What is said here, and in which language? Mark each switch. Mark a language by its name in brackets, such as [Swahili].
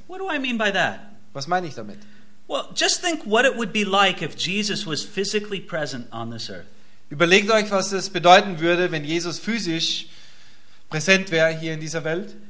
[English] What do I mean by that? [German] Was meine ich damit? [English] Well, just think what it would be like if Jesus was physically present on this earth. [German] Überlegt euch, was es bedeuten würde, wenn Jesus physisch präsent wäre hier in dieser Welt.